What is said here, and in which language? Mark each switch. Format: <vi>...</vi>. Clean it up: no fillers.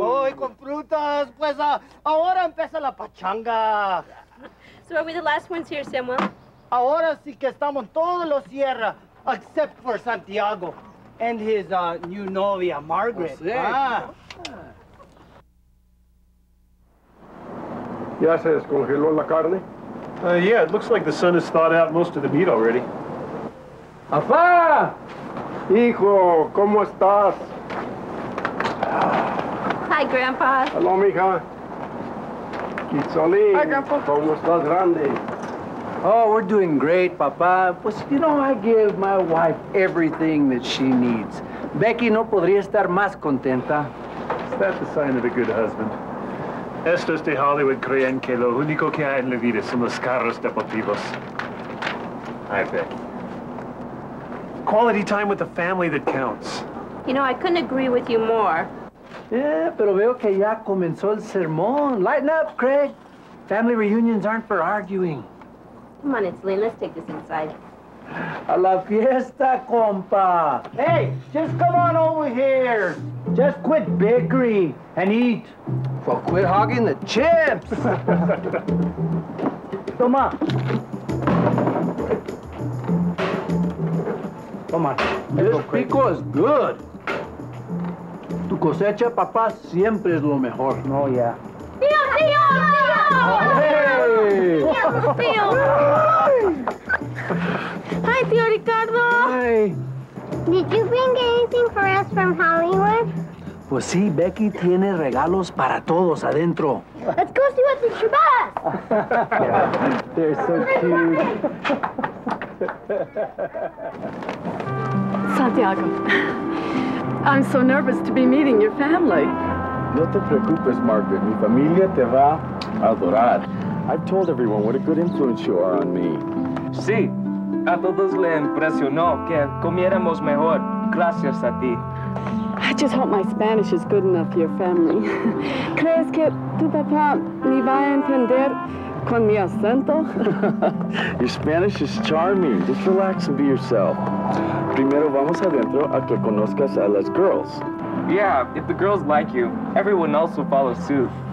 <es>Hoy con frutas, pues ahora empieza la pachanga.</es> <en>So are we the last ones here, Samuel?</en> <es>Ahora sí que estamos todos los Sierra,</es> <en>except for Santiago and his new</en> <es>novia, Margaret. Oh, sí. Ah. Ya se descongeló la carne?</es> <en>Yeah, it looks like the sun has thawed out most of the meat already. ¡Afá!</en> <es>Hijo, ¿cómo estás?</es> <en>Hi, Grandpa. Hello, mija. Itzolín. Hi, Grandpa.</en> <es>¿Cómo estás, grande?</es> <en>Oh, we're doing great, Papa. Pues, you know, I give my wife everything that she needs.</en> <es>Becky no podría estar más contenta.</es> <en>Is that the sign of a good husband?</en> <es>Estos de Hollywood creen que lo único que hay en la vida son los carros deportivos.</es> <en>Hi, Becky. Quality time with the family that counts. You know, I couldn't agree with you more.</en> <es>Yeah, pero veo que ya comenzó el sermón.</es> <en>Lighten up, Craig. Family reunions aren't for arguing. Come on, Itzelin, let's take this inside.</en> <es>A la fiesta, compa.</es> <en>Hey, just come on over here. Just quit bickering and eat. Well, quit hogging the chips.</en> <es>Toma. Toma.</es> <en>This pico is good.</en> <es>Tu cosecha, papá, siempre es lo mejor. No, ya. Tío, tío, tío.</es> <en>Hey. Tío. Hi, tío Ricardo. Hi. Did you bring anything for us from Hollywood?</en> <es>Pues sí, Becky tiene regalos para todos adentro.</es> <en>Let's go see what's in your bus. Yeah, they're so cute. Santiago. I'm so nervous to be meeting your family.</en> <es>No te preocupes, Margaret. Mi familia te va a adorar.</es> <en>I've told everyone what a good influence you are on me.</en> <es>Sí, a todos le impresionó que comiéramos mejor gracias a ti.</es> <en>I just hope my Spanish is good enough for your family.</en> <es>¿Crees que tu papá me va a entender con mi acento?</es> <en>Your Spanish is charming. Just relax and be yourself.</en> <es>Primero vamos adentro a que conozcas a las girls.</es> <en>Yeah, if the girls like you, everyone else will follow suit.</en>